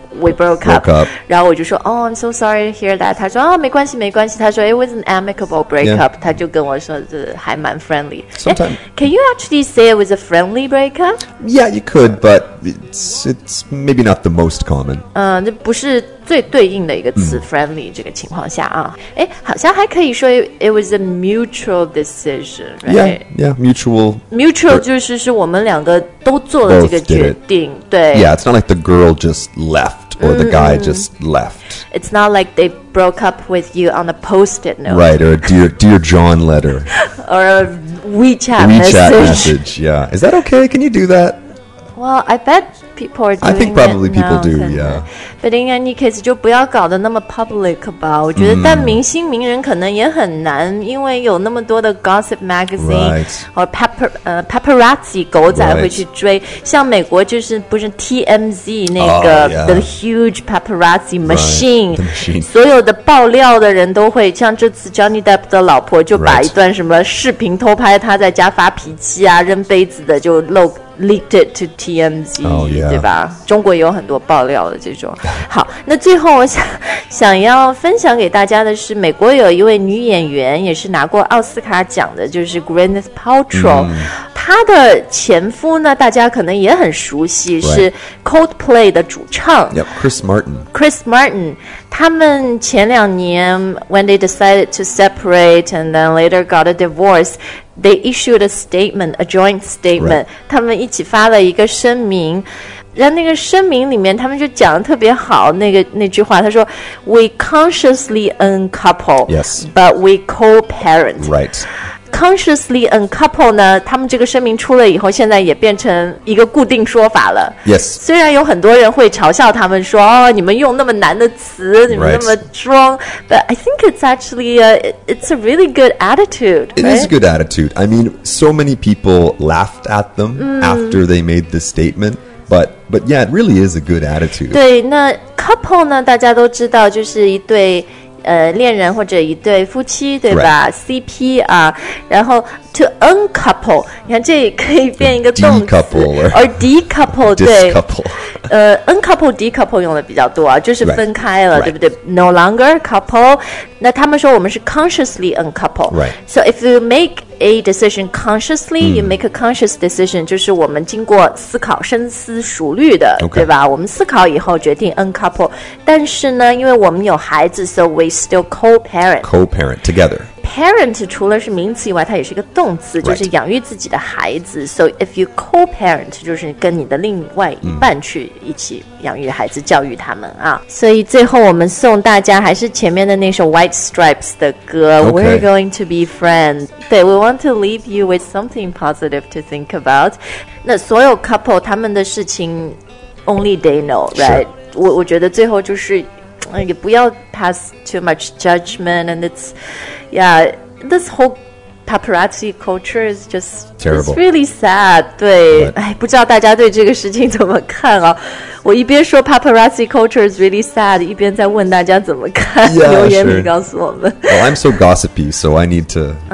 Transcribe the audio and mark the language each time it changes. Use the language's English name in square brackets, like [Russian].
[English] we broke up. [Chinese] 然后我就说 [English] Oh, I'm so sorry to hear that. 他说、oh, [Chinese] 没关系。 [English] 他说 It was an amicable breakup.、 Yeah. [Chinese] 他就跟我说这还蛮 friendly. [English] Sometimes. Can you actually say it was a friendly breakup? Yeah, you could, but it's maybe not the most common. [Chinese] 这不是最对应的一个词、friendly 这个情况下啊。诶，好像还可以说 [English] it was a mutual decision, right? Yeah, mutual. [Chinese] Mutual 就是是我们两个都做了这个决定。对。 [English] Yeah, it's not like the girl just left or the guy just left. It's not like they broke up with you on a post-it note. Right, or a dear John letter. Or a WeChat message, yeah. Is that okay? Can you do that? Well, I bet people are doing it. I think probably people now, do, yeah. But in any case, [Chinese] 就不要搞得那么 public 吧。我觉得但明星名人可能也很难，因为有那么多的 gossip magazine、 [English] right. [Chinese] or paparazzi 狗仔会去追。 [English] Right. [Chinese] 像美国就是不是 TMZ 那个、 [English] yeah. the huge paparazzi machine, right, the machine, [Chinese] 所有的爆料的人都会。像这次 Johnny Depp 的老婆就把一段什么视频偷拍他在家发脾气啊、扔杯子的就露。 [English] Leaked it to TMZ,、 yeah. [Chinese] 对吧？中国有很多爆料的这种。好，那最后我想要分享给大家的是，美国有一位女演员，也是拿过奥斯卡奖的，就是 Gwyneth Paltrow、嗯。她的前夫呢，大家可能也很熟悉， [English] right. [Chinese] 是 Coldplay 的主唱 [English] yep, Chris Martin。 Chris Martin， [Chinese] 他们前两年 [English] when they decided to separate and then later got a divorce。 They issued a statement, a joint statement.、 Right. [Chinese] 他们一起发了一个声明，然后那个声明里面，他们就讲得特别好。那句话，他说 ， [English] We consciously uncouple, yes, but we co-parent. Right. [Chinese] Consciously uncouple 呢？他们这个声明出了以后，现在也变成一个固定说法了。 [English] Yes. [Chinese] 虽然有很多人会嘲笑他们说，哦，你们用那么难的词，你们那么装。 [English] Right. But I think it's actually it's a really good attitude. It is a good attitude. I mean, so many people laughed at them after they made this statement. But yeah, it really is a good attitude. [Chinese] 对，那 couple 呢？大家都知道，就是一对。恋人或者一对夫妻对吧、 [English] right. [Chinese] CP 啊，然后 to uncouple 你看这可以变一个动词 [English] decouple or decouple [Chinese] 对 uncouple decouple 用的比较多啊，就是分开了、 [English] right. [Chinese] 对不对 [English] no longer couple [Chinese] 那他们说我们是 consciously uncouple、 [English] right. so if you make a decision consciously、you make a conscious decision [Chinese] 就是我们经过思考深思熟虑的、 [English] okay. [Chinese] 对吧我们思考以后决定 uncouple 但是呢因为我们有孩子 [English] so we still co-parent together [Chinese] Parent 除了是名词以外它也是一个动词、 [English] right. [Chinese] 就是养育自己的孩子 [English] So if you co-parent [Chinese] 就是跟你的另外一半去一起养育孩子、教育他们啊。所以最后我们送大家还是前面的那首 White Stripes 的歌、 [English] okay. We're going to be friends 对 We want to leave you with something positive to think about [Chinese] 那所有 [English] couple [Chinese] 他们的事情 [English] Only they know right? [Chinese] 我觉得最后就是也不要 [English] pass too much judgment and it's yeah this whole paparazzi culture is just terrible it's really sad 对、 right. [Chinese] 哎、不知道大家对这个事情怎么看哦我一边说 [English] paparazzi culture is really sad [Chinese] 一边在问大家怎么看 [English] yeah, [Chinese] 留言里告诉我们 [English] sure. Well, I'm so gossipy so I need to